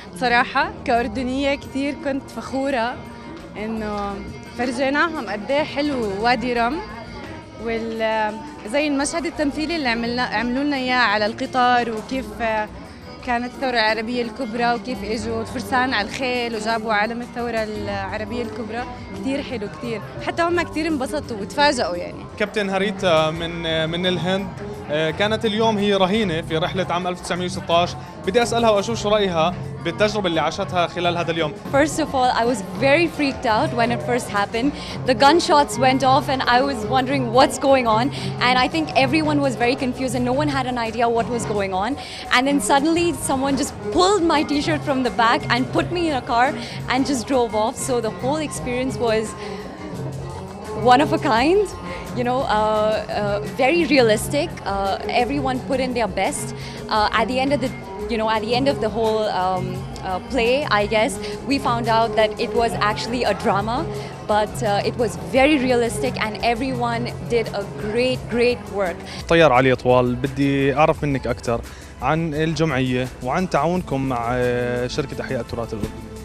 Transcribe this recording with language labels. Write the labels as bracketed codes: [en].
[ar] صراحه كاردنيه كثير كنت فخوره انه فرجيناهم قد ايه حلو وادي رم، وزي المشهد التمثيلي اللي عملوا لنا اياه على القطار، وكيف كانت الثوره العربيه الكبرى، وكيف اجوا الفرسان على الخيل وجابوا علم الثوره العربيه الكبرى، كثير حلو كثير، حتى هم كثير انبسطوا وتفاجئوا. يعني كابتن هريتا من الهند، كانت اليوم هي رهينة في رحلة عام 1916. بدي أسألها وأشوف شو رأيها بالتجربة اللي عاشتها خلال هذا اليوم. [en] First of all, I was very freaked out when it first happened. The gunshots went off and I was wondering what's going on. And I think everyone was very confused and no one had an idea what was going on. And then suddenly someone just pulled my t-shirt from the back and put me in a car and just drove off. So the whole experience was one of a kind. You know, very realistic. Everyone put in their best. At the end of the, you know, at the end of the whole play, I guess we found out that it was actually a drama, but it was very realistic, and everyone did a great, great work. [ar] طيار علي طوال، بدي أعرف منك أكثر عن الجمعية وعن تعاونكم مع شركة أحياء التراث الأردني.